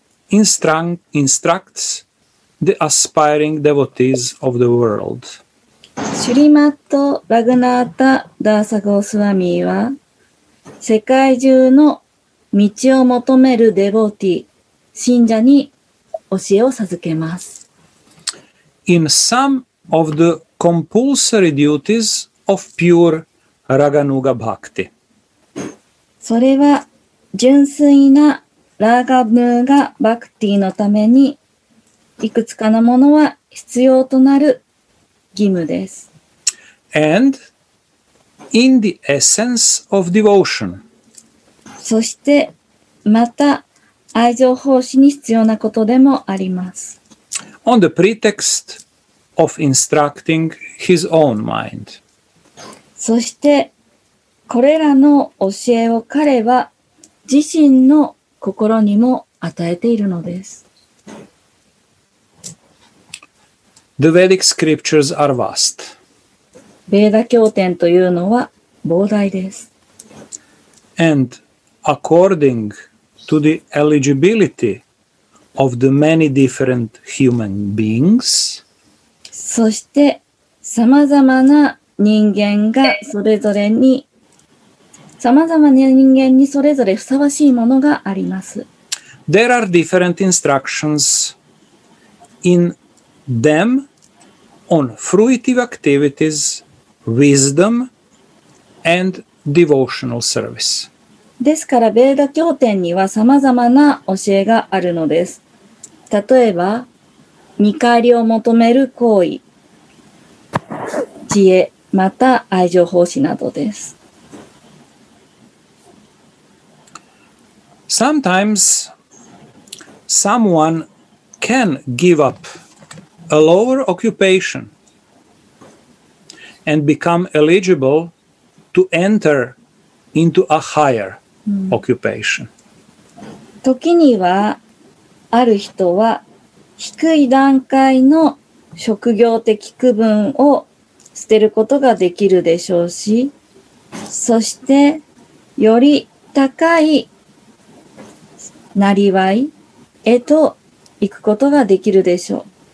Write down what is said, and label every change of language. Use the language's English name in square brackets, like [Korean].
[English] instructs the aspiring devotees of the world. [Japanese] シュリマット・ラグナータ・ダーサ・ゴースワミーは世界中の道を求めるデボティ、信者に教えを授けます。 [English] In some of the compulsory duties of pure Raganuga Bhakti. [Japanese] それは純粋なラガヌーガ・バクティのためにいくつかのものは必要となる義務です。 [English] And in the essence of devotion. [Japanese] そしてまた愛情奉仕に必要なことでもあります。 [English] On the pretext of instructing his own mind. [Japanese] そしてこれらの教えを彼は自身の心にも与えているのです。 [English] The Vedic scriptures are vast. [Japanese] ベーダ経典というのは膨大です。 [English] And according to the eligibility of the many different human beings, [Japanese] そして様々な人間がそれぞれに、様々な人間にそれぞれふさわしいものがあります。 [English] There are different instructions in them. On fruitive activities, wisdom, and devotional service. [Japanese] ですから、ベーダ経典にはさまざまな教えがあるのです。例えば、見返りを求める行為、知恵、また愛情奉仕などです。 [English] Sometimes someone can give up a lower occupation. And become eligible to enter into a higher occupation. [Japanese] 時にはある人は低い段階の職業的区分を捨てることができるでしょうし、そしてより高いなりわいへと行くことができるでしょう。